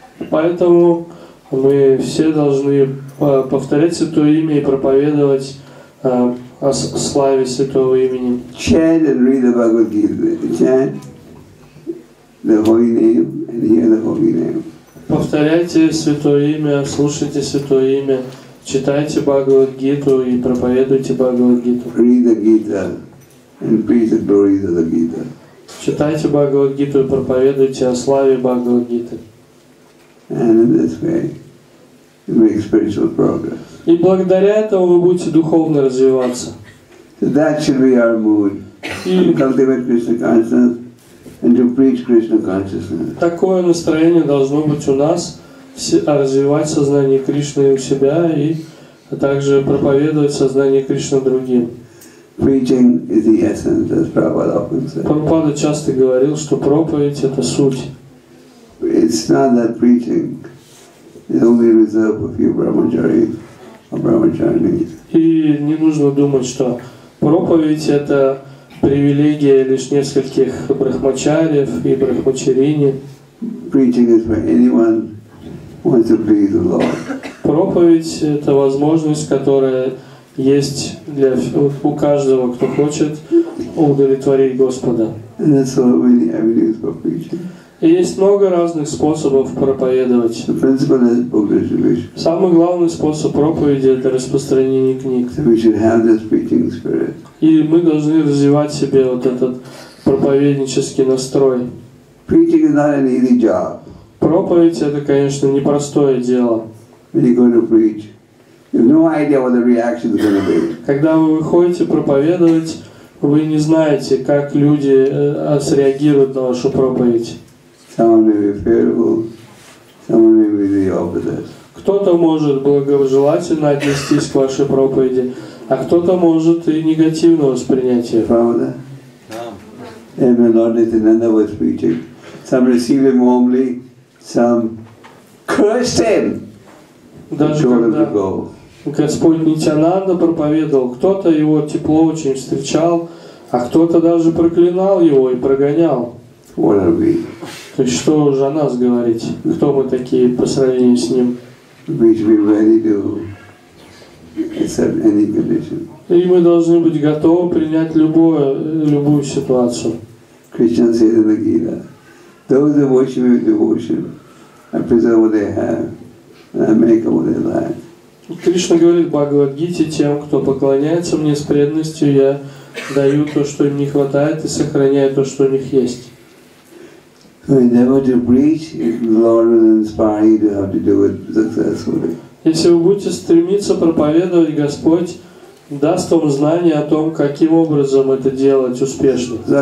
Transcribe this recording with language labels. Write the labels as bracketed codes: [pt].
[ru] Поэтому мы все должны повторять Святое Имя и проповедовать о славе Святого Имени. [en] Chant and read the Bhagavad Gita. Chant the holy name and hear the holy name. [ru] Повторяйте Святое Имя, слушайте Святое Имя, читайте Бхагавад Гиту и проповедуйте Бхагавад Гиту. [en] Read the Gita and preach the glories of the Gita. [ru] Читайте Бхагавад Гиту и проповедуйте о славе Бхагавад Гиты. [en] And in this way, you make spiritual progress. [ru] И благодаря этому вы будете духовно развиваться. [en] So that should be our mood. Cultivate Krishna consciousness and to preach Krishna consciousness. [ru] Такое настроение должно быть у нас, развивать сознание Кришны у себя и также проповедовать сознание Кришны другим. [en] Preaching is the essence, as Prabhupada often said. [ru] Прабхупада часто говорил, что проповедь это суть. [en] It's not that preaching is only reserved for few brahmacharis or brahmacharinis. [ru] И не нужно думать, что проповедь это привилегия лишь нескольких брахмачарьев и брахмачарини. [en] Preaching is for anyone who wants to please the Lord. [ru] Проповедь это возможность, которая есть для у каждого, кто хочет удовлетворить Господа. [en] And there's so many avenues for preaching. [ru] И есть много разных способов проповедовать. [en] The principle is book distribution. [ru] Самый главный способ проповеди – это распространение книг. [en] So we should have this preaching spirit. [ru] И мы должны развивать себе вот этот проповеднический настрой. [en] Preaching is not an easy job. [ru] Проповедь – это, конечно, непростое дело. [en] When you're going to preach, you have no idea what the reaction is going to be. [ru] Когда вы выходите проповедовать, вы не знаете, как люди среагируют на вашу проповедь. [en] Someone may be favorable, someone may be the opposite. [ru] Кто-то может благожелательно отнестись к вашей проповеди, а кто-то может и негативно воспринять ее. Правда? Да. [en] When Lord Nityananda was preaching, some received him warmly, some cursed him. [ru] Даже когда, Господь Нитянанда проповедовал, кто-то его тепло очень встречал, а кто-то даже проклинал его и прогонял. [en] What are we? [ru] То есть что же о нас говорить? Кто мы такие по сравнению с ним? [en] We should be ready to accept any condition. [ru] И мы должны быть готовы принять любую ситуацию. [en] Krishna says in the Gita, those who worship me with devotion, I preserve what they have, and I make what they like. [ru] Кришна говорит в Бхагавад-гите, тем, кто поклоняется мне с преданностью, я даю то, что им не хватает, и сохраняю то, что у них есть. Если вы будете стремиться проповедовать, Господь даст вам знание о том, каким образом это делать успешно.